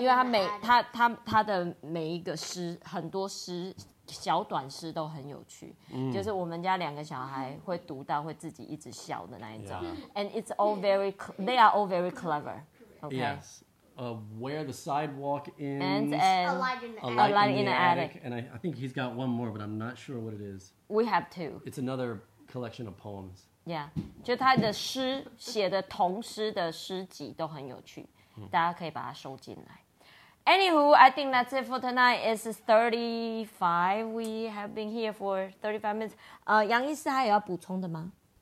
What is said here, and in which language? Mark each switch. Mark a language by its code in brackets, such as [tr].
[zh] 因为他的每一个诗很多诗小短诗都很有趣、 mm. 就是我们家两个小孩会读到会自己一直笑的那一种、 [en] yeah. And it's all very they are all very clever、okay? YesWhere the sidewalk ends, a light in the attic. And I think he's got one more, but I'm not sure what it is. We have two. It's another collection of poems. Yeah. [zh] 就他的诗写的同诗的诗集都很有趣，大家可以把它收进来。 [en] Anywho, I think that's it for tonight. It's 35. We have been here for 35 minutes. [zh] 杨医师还有要补充的吗？